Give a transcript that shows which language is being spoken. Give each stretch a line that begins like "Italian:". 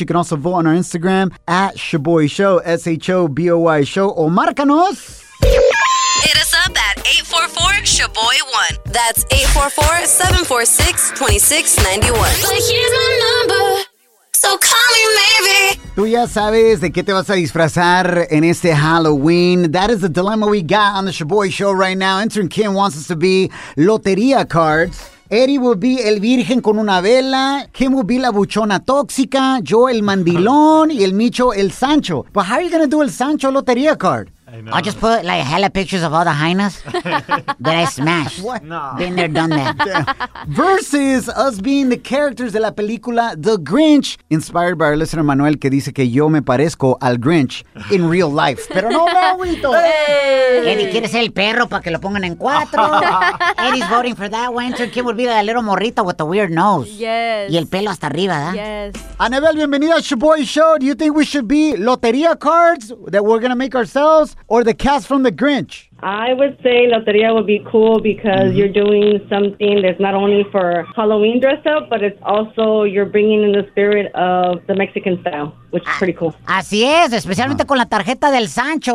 English: You can also vote on our Instagram at Shaboy Show, S-H-O-B-O-Y Show,
Spanish: o márcanos.
English: Hit us up at 844-SHABOY1. That's 844-746-2691. But here's my number, so call me maybe.
Spanish: Tú ya sabes de qué te vas a disfrazar en este Halloween.
English: That is the dilemma we got on The Shaboy Show right now. Intern Kim wants us to be lotería cards.
Spanish: Eddie
English: will be
Spanish: el virgen con una vela. Kim
English: will be
Spanish: la buchona tóxica. Yo el mandilón. Y el Micho el Sancho.
English: But how are you going to do
Spanish: el Sancho lotería
English: card? I just put like hella pictures of all the hyenas that I smashed. What? Nah. Been there, done that. Damn. Versus us being the characters
Spanish: de la película
English: The Grinch, inspired by our listener Manuel,
Spanish: que dice que yo me parezco al Grinch
English: in real life.
Spanish: Pero no, Mauito.
English: Hey.
Spanish: Eddie quiere ser el perro para que lo pongan en cuatro.
English: Eddie's voting for that winter.
Spanish: ¿Quién
English: would be the little morrita with the weird nose? Yes.
Spanish: Y el pelo hasta arriba, ¿eh?
English: Yes.
Spanish: Anabel, bienvenida a Shaboy Show.
English: Do you think we should be lotería cards that we're going to make ourselves? Or the cast from The Grinch? I would say Loteria would be cool because you're doing something that's not only for Halloween dress up, but it's also you're bringing in the spirit of the Mexican style, which is pretty cool.
Spanish: Así es, especialmente con la tarjeta del Sancho.